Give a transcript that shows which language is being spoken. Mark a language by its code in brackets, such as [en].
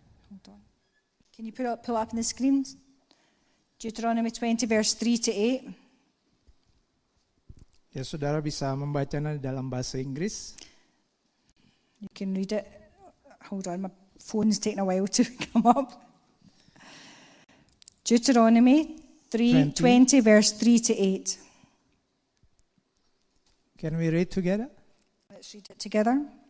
[en] Hold on. Can you pull up in the screen? Deuteronomy 20, verse 3 to 8. [id] Ya, saudara bisa membacanya dalam bahasa Inggris. [en] You can read it. Hold on, my phone's taking a while to come up. Deuteronomy 3:20, verse 3 to 8. Can we read together? Let's read it together.